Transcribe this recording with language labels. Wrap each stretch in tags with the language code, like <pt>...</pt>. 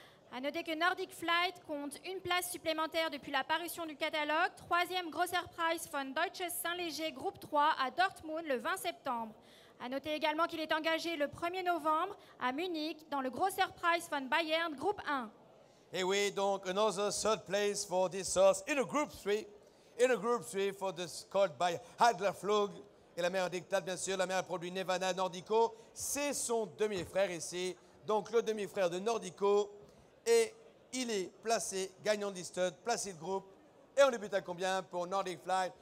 <fr>A noter que Nordic Flight compte une place supplémentaire depuis l'apparition du catalogue. Troisième Grosser Prize von Deutsches Saint-Léger Groupe 3 à Dortmund le 20 septembre. A noter également qu'il est engagé le 1er novembre à Munich dans le Grosser Prize von Bayern Groupe 1. Et oui, donc,</fr> <en>another third place for this horse in a Group 3. In a Group 3 for this called by Adler Flug.</en> <fr>Et la mère dictate, bien sûr, la mère produit Nevada Nordico. C'est son demi-frère ici. Donc, le demi-frère de Nordico. Et il est placé, gagnant de stud, placé de groupe. Et on débute à combien pour Nordic Flight?</fr>